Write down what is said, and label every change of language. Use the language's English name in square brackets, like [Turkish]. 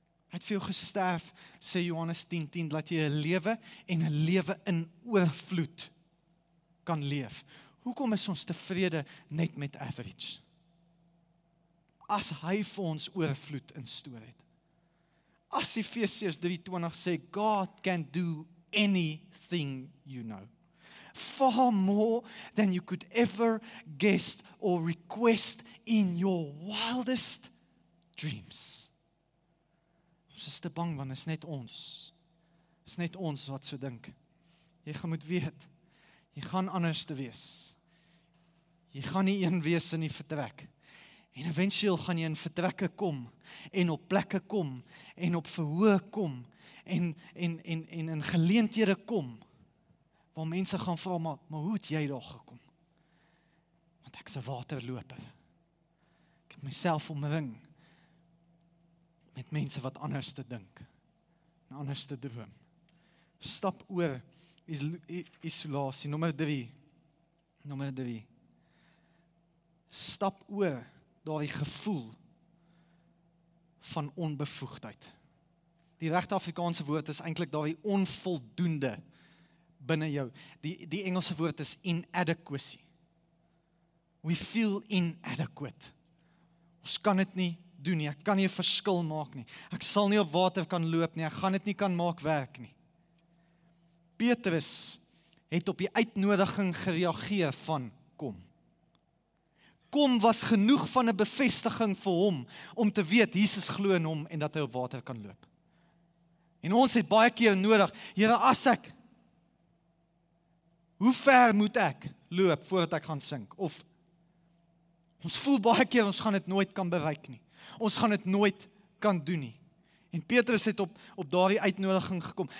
[Afrikaans] Hy het vir jou gesterf, sê Johannes 10:10, dat jy 'n lewe en 'n lewe in oorvloed kan leef. Hoekom is ons tevrede net met average? As hy vir ons oorvloed instoor het. As Efesiërs 3:20 sê, [English] God can do anything you know. Far more than you could ever guess or request in your wildest dreams. [Afrikaans] Ons is te bang, want is net ons. Is net ons wat so dink. Jy gaan moet weet, jy gaan anders te wees. Jy gaan nie een wees in die vertrek. En eventueel gaan jy in vertrekke kom, en op plekke kom, en op verhoë kom, en in geleenthede kom, waar mense gaan vra, maar hoe het jy daar gekom? Want ek is 'n waterloper. Ek het myself omring met mense wat anders te dink, en anders te droom. Stap oor isolasie. Nommer drie. Stap oor daardie gevoel van onbevoegdheid. Die regte Afrikaanse woord is eintlik daardie onvoldoende binne jou. Die Engelse woord is inadequacy. [English] We feel inadequate. [Afrikaans] Ons kan dit nie doen nie, ek kan nie 'n verskil maak nie, ek sal nie op water kan loop nie, ek gaan dit nie kan maak werk nie. Petrus het op die uitnodiging gereageer van kom. Kom was genoeg van 'n bevestiging vir hom, om te weet, Jesus glo in hom en dat hy op water kan loop. En ons het baie keer nodig, Here, as ek, hoe ver moet ek loop voordat ek gaan sink? Of, ons voel baie keer, ons gaan dit nooit kan bereik nie. Ons gaan dit nooit kan doen nie. En Petrus het op daardie uitnodiging gekom.